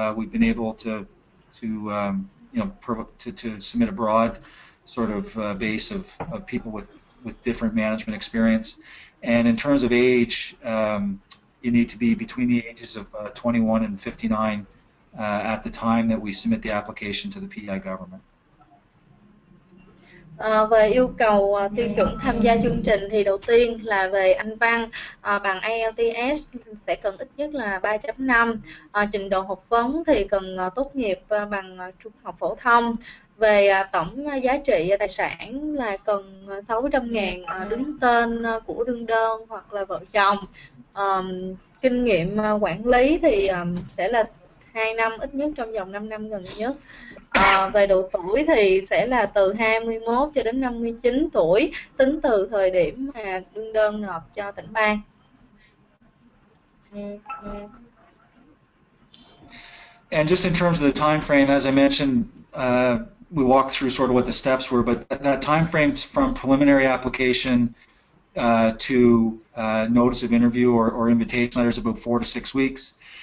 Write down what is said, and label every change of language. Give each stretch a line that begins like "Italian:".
English: We've been able to submit a broad sort of base of people with different management experience. And in terms of age, you need to be between the ages of 21 and 59 at the time that we submit the application to the PEI government.
Vietnamese: Về yêu cầu tiêu chuẩn tham gia chương trình thì đầu tiên là về Anh văn, bằng IELTS sẽ cần ít nhất là 3.5. Trình độ học vấn thì cần tốt nghiệp bằng trung học phổ thông. Về tổng giá trị tài sản là cần 600.000 đứng tên của đương đơn hoặc là vợ chồng. Kinh nghiệm quản lý thì sẽ là 2 năm ít nhất trong vòng 5 năm gần nhất. Về độ tuổi thì sẽ là từ 21 cho đến 59 tuổi tính từ thời điểm mà đương đơn nộp cho tỉnh bang.
English: And just in terms of the time frame, as I mentioned, we walked through sort of what the steps were, but that time frame from preliminary application to notice of interview or invitation letters about 4 to 6 weeks.